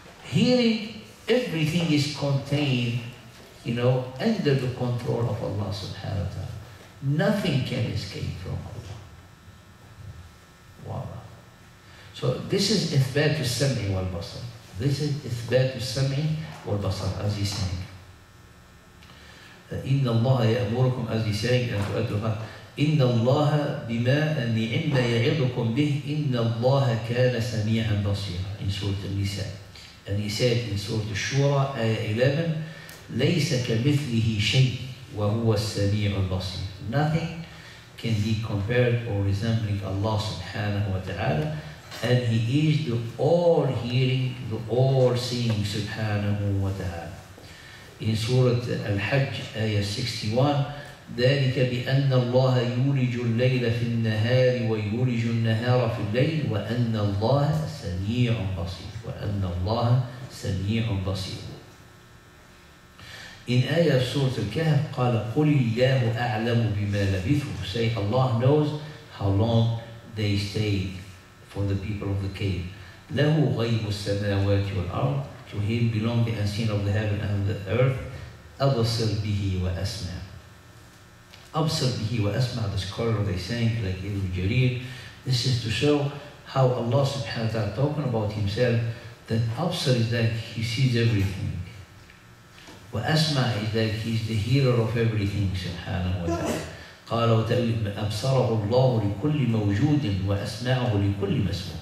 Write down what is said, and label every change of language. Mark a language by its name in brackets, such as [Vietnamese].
[English] Hearing, everything is contained, you know, under the control of Allah subhanahu wa ta'ala. Nothing can escape from Allah. So this is [Arabic] إثبات السمع والبصر. [English] This is [Arabic] إثبات السمع والبصر, [English] as he's saying. [Arabic] إِنَّ اللَّهَ يَأْمُرُكُمْ, [English] as he's saying, and to add to that, [Arabic] إِنَّ اللَّهَ بِمَا النِّعِمَّ يَعِظُكُمْ بِهِ إِنَّ اللَّهَ كَانَ سَمِيعًا بَصِيرًا, [English] in Surah Al-Nisa. And he said in Surah Al-Shura, Ayah 11, [Arabic] لَيْسَ كَمِثْلِهِ شَيْءٍ وَهُوَ السَّمِيعُ الْبَصِيرُ. [English] Nothing can be compared or resembling Allah subhanahu wa ta'ala. And he is the all-hearing, the all-seeing, subhanahu wa ta'ala. In Surah Al-Hajj, Ayah 61, [Arabic] ذَلِكَ بِأَنَّ اللَّهَ يُولِجُ اللَّيْلَ فِي النَّهَارِ وَيُولِجُ النَّهَارَ فِي اللَّيْلِ وَأَنَّ اللَّهَ سَمِيعٌ بَصِيرٌ وَأَنَّ اللَّهَ سَمِيعٌ بَصِيرٌ. [English] In Ayah Surah Al-Kahf, [Arabic] قَالَ قُلِ اللَّهُ أَعْلَمُ بِمَا لَبِثُوا. [English] Say, Allah knows how long they stayed. For the people of the cave. [Arabic] لَهُ غَيْبُ السَّمَاوَاتِ وَالْأَرْضِ. [English] To him belong the unseen of the heaven and the earth. [Arabic] أَبْصِرْ بِهِ وَأَسْمَعْ. أَبْصِرْ بِهِ وَأَسْمَعْ, [English] the scholar they saying, like Ibn Jarir. This is to show how Allah subhanahu wa ta'ala talking about himself, that أَبْصِرْ is that he sees everything. وَأَسْمَعْ is that he's the hearer of everything, subhanahu wa ta'ala. [Arabic] قال وتأويل أبصره الله لكل موجود وأسمعه لكل مسموع.